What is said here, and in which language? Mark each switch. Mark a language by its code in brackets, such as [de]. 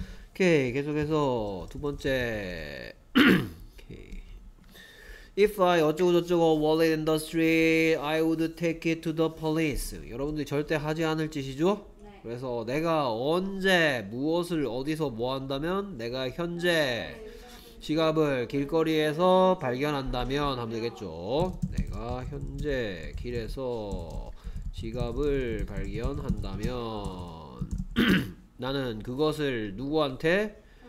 [ko] 오케이, 계속해서 두 번째. [en] If I [ko] 어쩌고저쩌고 [en] wallet in the street, I would take it to the police. [ko] 여러분들이 절대 하지 않을 짓이죠? 네. 그래서 내가 언제 무엇을 어디서 뭐 한다면, 내가 현재 지갑을 길거리에서 발견한다면 하면 되겠죠. 내가 현재 길에서 지갑을 발견한다면 나는 그것을 누구한테?